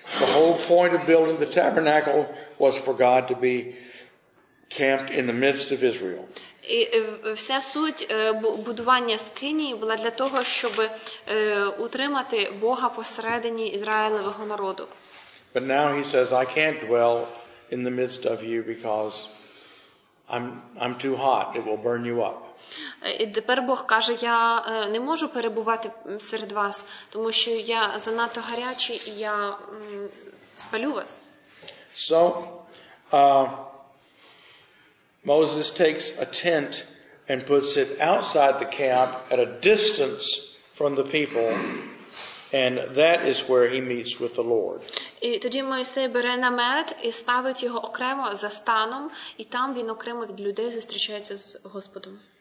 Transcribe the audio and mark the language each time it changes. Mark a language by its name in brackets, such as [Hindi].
[English] The whole point of building the tabernacle was for God to be camped in the midst of Israel. [Ukrainian] І вся суть будування скинії була для того, щоб утримати Бога посередині Ізраїлевого народу. [English] But now he says, I can't dwell in the midst of you because I'm too hot. It will burn you up. [Ukrainian] І тепер Бог каже, я не можу перебувати серед вас, тому що я занадто гарячий, і я спалю вас. [English] So, Moses takes a tent and puts it outside the camp at a distance from the people, and that is where he meets with the Lord. [Ukrainian] І тоді Мойсей бере намет і ставить його окремо за станом, і там він окремо від людей зустрічається з Господом.